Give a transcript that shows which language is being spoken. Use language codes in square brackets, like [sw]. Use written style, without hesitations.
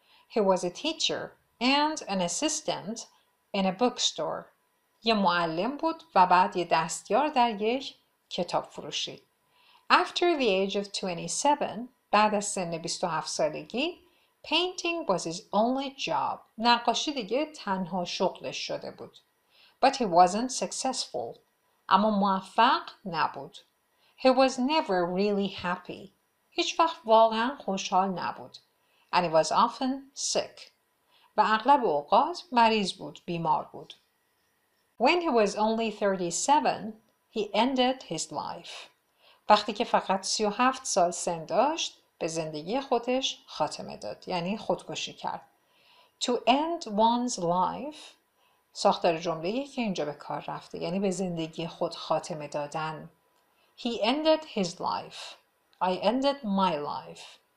[en] He was a teacher and an assistant in a bookstore. [fa] یه معلم بود و بعد یه دستیار در یک کتاب فروشی. [en] After the age of 27 [fa] بعد از سن 27 سالگی [en] Painting was his only job. [fa] نقاشی دیگه تنها شغلش شده بود. [en] But he wasn't successful. [fa] اما موفق نبود. [en] He was never really happy. [fa] هیچ وقت واقعا خوشحال نبود. [en] And he was often sick. [fa] و اغلب اوقات مریض بود، بیمار بود. [en] When he was only 37, he ended his life. [fa] وقتی که فقط 37 سال سن داشت، به زندگی خودش خاتمه داد، یعنی خودکشی کرد. [en] To end one's life [fa] ساختار جمله‌ای که اینجا به کار رفته، یعنی به زندگی خود خاتمه دادن. [en] He ended his life. I ended my life.